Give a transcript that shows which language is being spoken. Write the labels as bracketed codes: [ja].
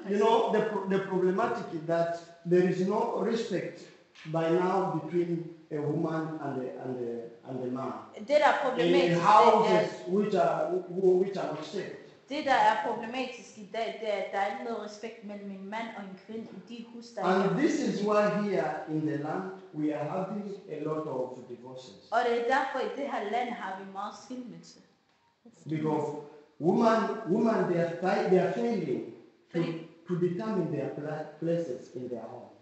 [en] You know, the problematic is that there is no respect by now between a woman and a man. [da] Det der er problematisk. [en] In houses which are not safe. [da] Det der er problematisk i dag, det er, at der er ikke noget respekt mellem en mand og en kvinde i de hus, der er. [en] And this is why here in the land we are having a lot of divorces. [da] Og det er derfor i det her land har vi meget skilsmisse. [en] Because women, they are failing to determine their places in their home.